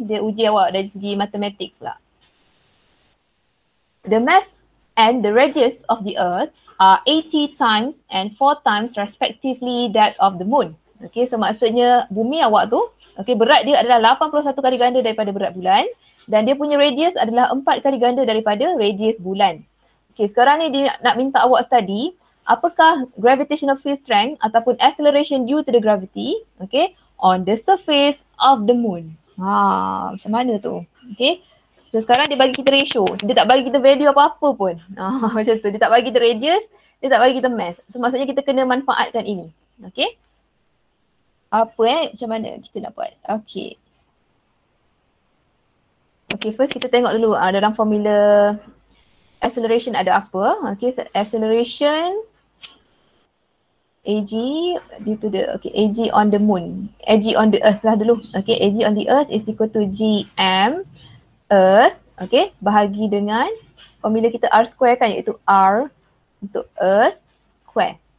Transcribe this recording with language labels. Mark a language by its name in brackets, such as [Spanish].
[Malay] Dia uji awak dari segi matematik pula. [English] The mass and the radius of the earth are 80 times and 4 times respectively that of the moon. Okay. [Malay] So maksudnya bumi awak tu. Okay. Berat dia adalah 81 kali ganda daripada berat bulan. Dan dia punya radius adalah 4 kali ganda daripada radius bulan. Okay, sekarang ni dia nak minta awak study apakah [English] gravitational field strength ataupun acceleration due to the gravity, [Malay] okay, [English] on the surface of the moon. [Malay] Haa, macam mana tu? Okay, So sekarang dia bagi kita ratio. Dia tak bagi kita value apa-apa pun. Macam tu. Dia tak bagi kita radius. Dia tak bagi kita mass. So maksudnya kita kena manfaatkan ini. Okay. Apa eh? Macam mana kita nak buat? Okay. Okay, [English] first [Malay] kita tengok dulu dalam formula acceleration ada apa. [English] Okay, [Malay] so [English] acceleration AG due to the, okay, AG on the moon. AG on the earth [Malay] lah dulu. [English] Okay, AG on the earth is equal to GM earth. [Malay] Okay, bahagi dengan [English] formula [Malay] kita R square kan, iaitu R untuk earth square.